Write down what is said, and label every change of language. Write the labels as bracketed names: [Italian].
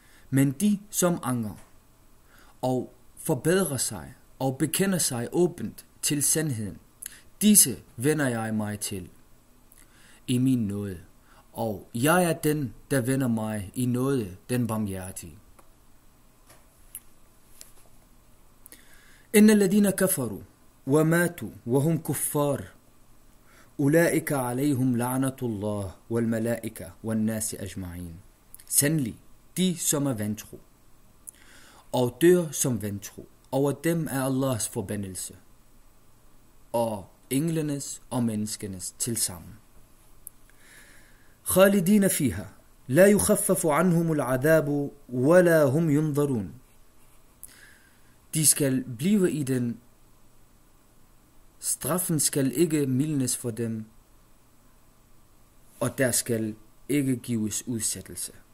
[Danish] Men de, som angrer og forbedrer sig og bekender sig åbent til sandheden, disse vender jeg mig til i min nåde, og jeg er den, der vender mig i nåde, den barmhjertige. [Arabic] إِنَّ الَّذِينَ كَفَرُوا وماتوا وهم كفار أولئك عليهم لعنة الله والملائكة والناس أجمعين. [Danish] Sandelig, de som er vantro og dør som vantro, over dem er Allahs forbandelse og englenes og menneskenes tilsammen. [Arabic] خالدين فيها لا يخفف عنهم العذاب ولا هم ينظرون. [Danish] De skal blive i den. Straffen skal ikke mildnes for dem, og der skal ikke gives udsættelse.